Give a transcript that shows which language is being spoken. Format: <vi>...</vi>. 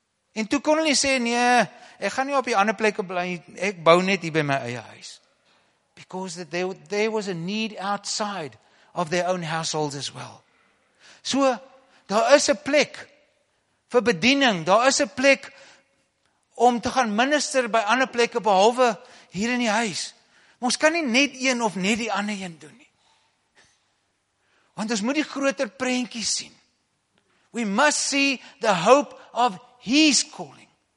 <af>En toe kon hulle sê, nee, ek gaan nie op die ander plekke bly, ek bou net hier by my eie huis.</af> <en>Because that there was a need outside of their own households as well.</en> <af>So, daar is 'n plek vir bediening, daar is 'n plek om te gaan minister by ander plekke behalwe hier in die huis. Ons kan nie net een of net die ander een doen nie. Want ons moet die groter prentjie sien.</af> <en>We must see the hope of His calling.</en>